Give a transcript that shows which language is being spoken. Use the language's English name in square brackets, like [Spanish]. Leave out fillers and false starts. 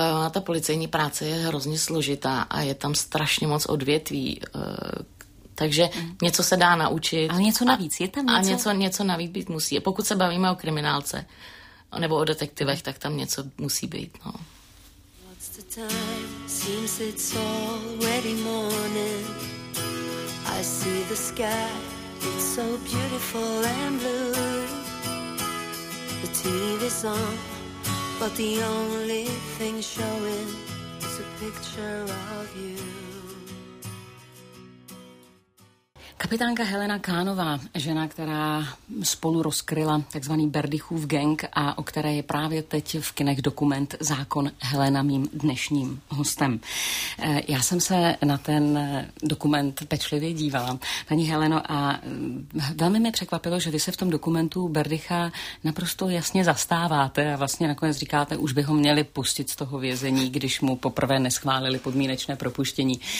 [Czech] Ta policejní práce je hrozně složitá a je tam strašně moc odvětví. Takže něco se dá naučit. Ale něco navíc, je tam něco? A něco navíc být musí. Pokud se bavíme o kriminálce nebo o detektivech, tak tam něco musí být, no. [English] The time seems it's already morning. I see the sky, it's so beautiful and blue. The TV's on, but the only thing showing is a picture of you. [Czech] Kapitánka Helena Kánová, žena, která spolu rozkryla takzvaný Berdychův gang a o které je právě teď v kinech dokument Zákon Helena mým dnešním hostem. Já jsem se na ten dokument pečlivě dívala, paní Heleno, a velmi mě překvapilo, že vy se v tom dokumentu Berdycha naprosto jasně zastáváte a vlastně nakonec říkáte, už by ho měli pustit z toho vězení, když mu poprvé neschválili podmínečné propuštění.